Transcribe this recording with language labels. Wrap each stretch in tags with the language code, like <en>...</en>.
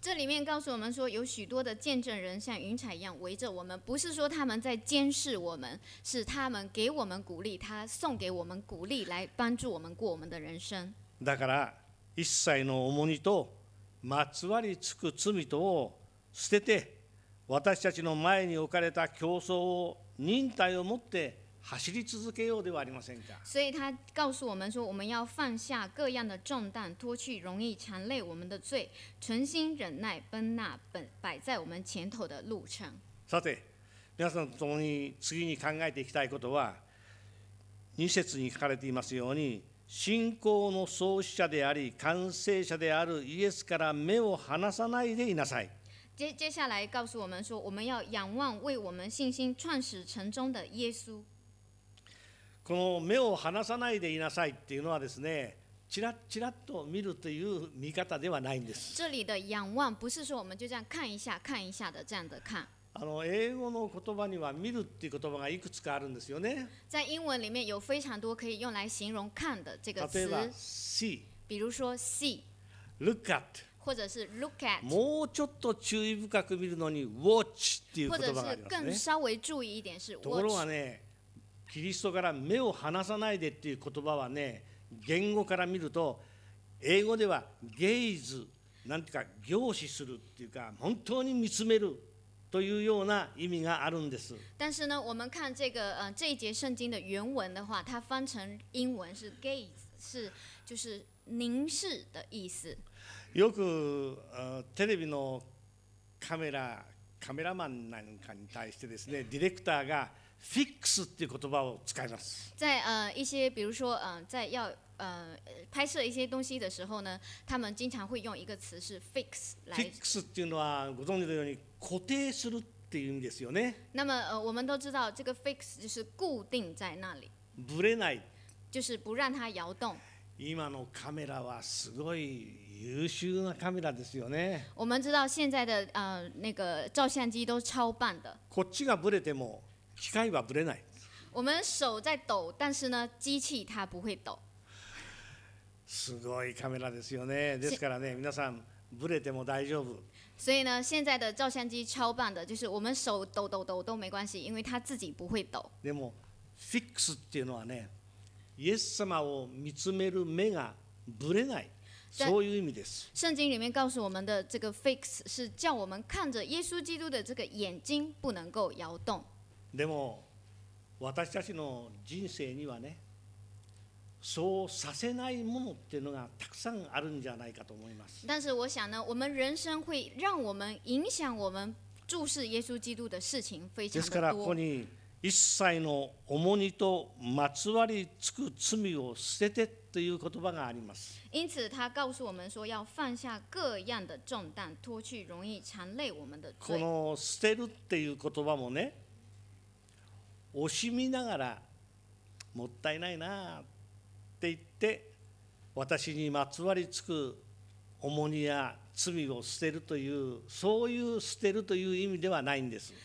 <zh>这里面告诉我们说，有许多的见证人像云彩一样围着我们，不是说他们在监视我们，是他们给我们鼓励，他送给我们鼓励，来帮助我们过我们的人生。</zh> <ja>だから一切の重荷とまつわりつく罪とを捨てて、私たちの前に置かれた競争を忍耐を持って走り続けようではありませんか。</ja> <zh>所以他告诉我们说，我们要放下各样的重担，脱去容易缠累我们的罪，存心忍耐奔那摆在我们前头的路程。</zh> <ja>さて、皆さんと共に次に考えていきたいことは、2節に書かれていますように、信仰の創始者であり完成者であるイエスから目を離さないでいなさい。</ja> <zh>接下来告诉我们说，我们要仰望为我们信心创始成终的耶稣。</zh> <ja>この目を離さないでいなさいっていうのはですね、チラッチラッと見るという見方ではないんです。</ja> <zh>这里的仰望不是说我们就这样看一下看一下的这样的看。</zh> <ja>あの英語の言葉には見るっていう言葉がいくつかあるんですよね。</ja> <zh>在英文里面有非常多可以用来形容看的这个词。</zh> <ja>例えば see。</ja> <zh>比如说 see。</zh> <en>Look at。</en> <zh>或者是 look at。</zh> <ja>もうちょっと注意深く見るのに watch っていう言葉がありますね。</ja> <zh>或者是更稍微注意一点是 watch。</zh> <ja>ところがね。キリストから目を離さないでっていう言葉はね、言語から見ると英語ではゲイズ、なんていうか凝視するっていうか本当に見つめるというような意味があるんです。</ja> <zh>但是呢，我们看这个这一节圣经的原文的话，它翻成英文是 gaze， 是就是凝视的意思。</zh> <ja>よくテレビのカメラマンなんかに対してですね、ディレクターがFix っていう言葉を使います。</ja> <zh>在一些比如说在要拍摄一些东西的时候呢，他们经常会用一个词是 fix 来。</zh> <ja>Fix っていうのはご存知のように固定するっていう意味ですよね。</ja> <zh>那么我们都知道这个 fix 就是固定在那里。</zh> <ja>ブレない。</ja> <zh>就是不让它摇动。</zh> <ja>今のカメラはすごい優秀なカメラですよね。</ja> <zh>我们知道现在的那个照相机都超棒的。</zh> <ja>こっちがブレても。機械はブレない。</ja> <zh>我们手在抖，但是呢，机器它不会抖。</zh> <ja>すごいカメラですよね。ですからね、皆さんブレても大丈夫。</ja> <zh>所以呢，现在的照相机超棒的，就是我们手抖抖抖都没关系，因为它自己不会抖。</zh> <ja>でも、フィックスっていうのはね、イエス様を見つめる目がブレない。そういう意味です。</ja> <zh>圣经里面告诉我们的这个 fix 是叫我们看着耶稣基督的这个眼睛不能够摇动。</zh> <ja>でも私たちの人生にはね、そうさせないものっていうのがたくさんあるんじゃないかと思います。</ja> <zh>但是我想呢，我们人生会让我们影响我们注视耶稣基督的事情非常多。</zh> <ja>ですからここに一切の重荷とまつわりつく罪を捨ててという言葉があります。</ja> <zh>因此他告诉我们说要放下各样的重担，脱去容易缠累我们的罪。</zh> <ja>この捨てるっていう言葉もね。惜しみながらもったいないなって言って私にまつわりつく重荷や罪を捨てるというそういう捨てるという意味ではないんです。</ja>